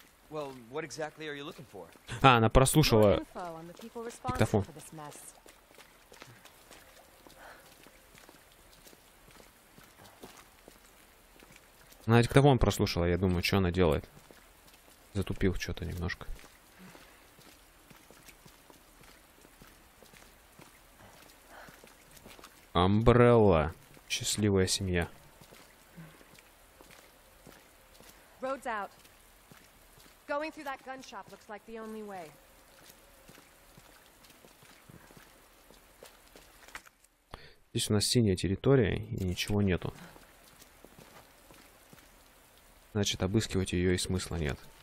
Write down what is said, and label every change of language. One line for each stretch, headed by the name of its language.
English: Well, what exactly are you looking for?
Russian: А, она прослушала диктофон. Она диктофон прослушала, я думаю, что она делает. Затупил что-то немножко. Амбрелла. Счастливая семья.
English: Road's out. Going through that gun shop looks like the only way.
Russian: Здесь у нас синяя территория и ничего нету. Значит, обыскивать ее и смысла нет.